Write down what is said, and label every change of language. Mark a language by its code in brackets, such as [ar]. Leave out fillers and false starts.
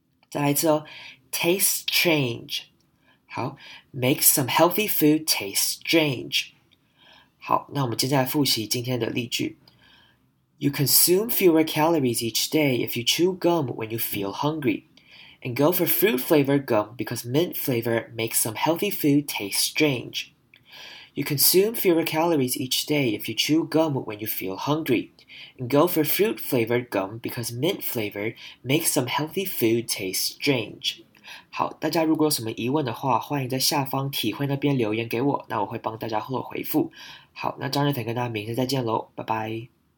[zh] 再来一次哦 ， [en] taste strange。好 ，make some healthy food taste strange。 [zh] 好，那我们接下来复习今天的例句。 [en] You consume fewer calories each day if you chew gum when you feel hungry, and go for fruit-flavored gum because mint flavor makes some healthy food taste strange. You consume fewer calories each day if you chew gum when you feel hungry, and go for fruit-flavored gum because mint flavor makes some healthy food taste strange. [zh] 好，大家如果有什么疑问的话，欢迎在下方体会那边留言给我，那我会帮大家后回复。好，那 Jonathan 跟大家明天再见咯，拜拜。